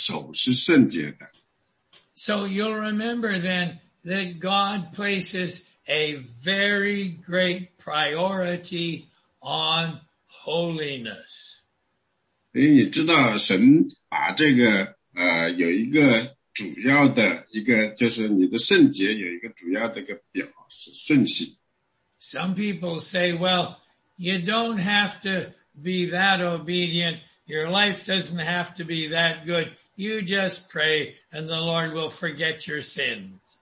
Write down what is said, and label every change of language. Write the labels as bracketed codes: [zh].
[zh] 没有圣洁到那个程度可以把我的手举起来。就是说当人举手祷告的时候呢,神并不是看谁的手举得高,就答应应许谁的祷告,甚而是人去看,祷告的人属神的人,他们是,他们的手是圣洁的。So [en] you'll remember then that God places a very great priority on holiness. [zh] 因为你知道神把这个有一个主要的一个就是你的圣洁有一个主要的一个表示顺序。 [en] Some people say, well, you don't have to be that obedient. Your life doesn't have to be that good. You just pray and the Lord will forget your sins.